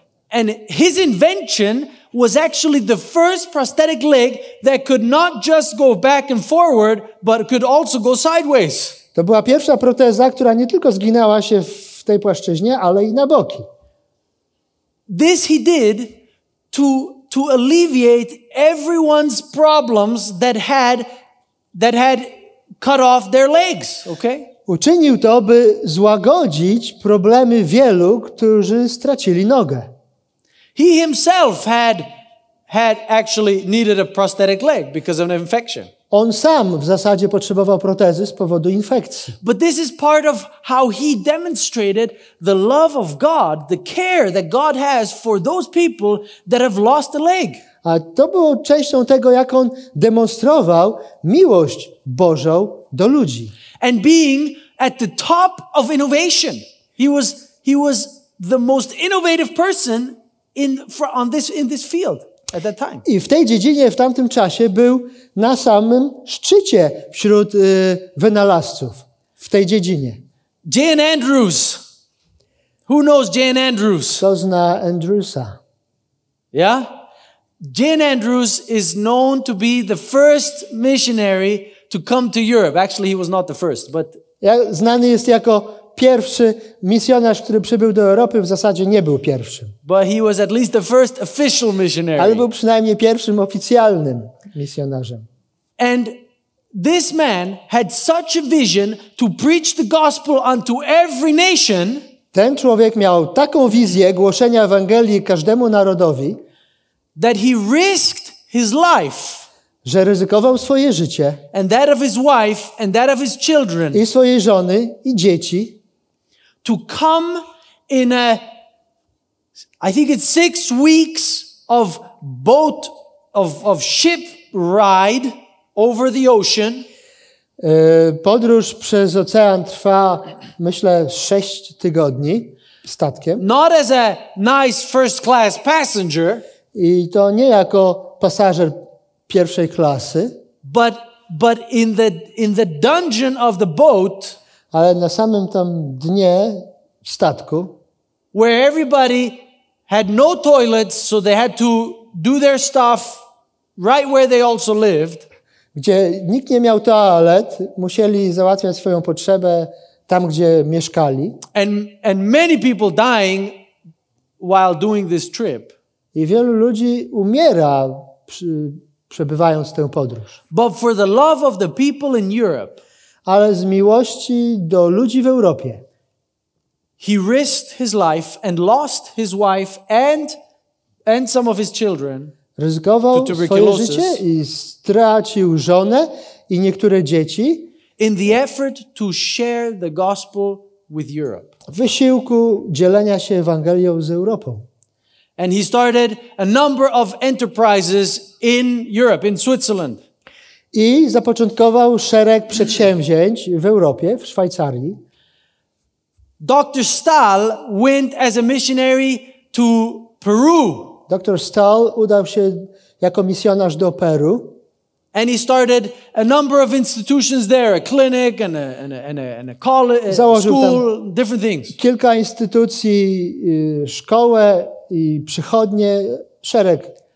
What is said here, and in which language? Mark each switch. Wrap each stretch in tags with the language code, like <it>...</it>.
<en>And his invention was actually the first prosthetic leg that could not just go back and forward, but could also go sideways.</en> <pl>To była pierwsza proteza, która nie tylko zginęła się w tej płaszczyźnie, ale i na boki.</pl> <en>This he did to alleviate everyone's problems that had cut off their legs, okay?</en> <pl>Uczynił to, by złagodzić problemy wielu, którzy stracili nogę.</pl> <en>He himself had actually needed a prosthetic leg because of an infection.</en> <pl>On sam w zasadzie potrzebował protezy z powodu infekcji.</pl> <en>But this is part of how he demonstrated the love of God, the care that God has for those people that have lost a leg.</en> <pl>A to było częścią tego, jak on demonstrował miłość Bożą do ludzi.</pl> <en>And being at the top of innovation, he was the most innovative person in this field. At that time.</en> <pl>I w tej dziedzinie w tamtym czasie był na samym szczycie wśród wynalazców w tej dziedzinie.</pl> <en>Jan Andrews. Who knows Jan Andrews?</en> <pl>Kto zna Andrewsa?</pl> <en>Yeah? Jan Andrews is known to be the first missionary to come to Europe. Actually, he was not the first, but</en> <pl>znany jest jako pierwszy misjonarz, który przybył do Europy, w zasadzie nie był pierwszym.</pl> <en>But he was at least the first official missionary.</en> <pl>Ale był przynajmniej pierwszym oficjalnym misjonarzem.</pl> <en>And this man had such a vision to preach the gospel unto every nation.</en> <pl>Ten człowiek miał taką wizję głoszenia Ewangelii każdemu narodowi,</pl> <en>that he risked his life.</en> <pl>Że ryzykował swoje życie</pl> <en>and that of his wife and that of his children,</en> <pl>i swojej żony i dzieci,</pl> <en>to come in a, I think it's 6 weeks of boat of ship ride over the ocean.</en> <pl>Podróż przez ocean trwa, myślę, 6 tygodni. statkiem.</pl> <en>Not as a nice first class passenger.</en> <pl>I to nie jako pasażer pierwszej klasy.</pl> <en>But in the dungeon of the boat.</en> <pl>Ale na samym tam dnie statku.</pl> <en>Where everybody had no toilets, so they had to do their stuff right where they also lived.</en> <pl>Gdzie nikt nie miał toalet, musieli załatwiać swoją potrzebę tam, gdzie mieszkali.</pl> <en>And many people dying while doing this trip.</en> <pl>I wielu ludzi umiera przebywając tę podróż.</pl> <en>But for the love of the people in Europe.</en> <pl>Ale z miłości do ludzi w Europie.</pl> <en>He risked his life and lost his wife and some of his children.</en> <pl>Ryzykował swoje życie i stracił żonę i niektóre dzieci.</pl> <en>In the effort to share the gospel with Europe.</en> <pl>W wysiłku dzielenia się Ewangelią z Europą.</pl> <en>And he started a number of enterprises in Europe, in Switzerland.</en> <pl>I zapoczątkował szereg przedsięwzięć w Europie, w Szwajcarii.</pl> <en>Dr. Stahl went as a missionary to Peru.</en> <pl>Dr. Stahl udał się jako misjonarz do Peru.</pl> <en>And he started a number of institutions there, a clinic and a college, a school, different things.</en> <pl>Kilka instytucji, szkołę i przychodnie, szereg.</pl>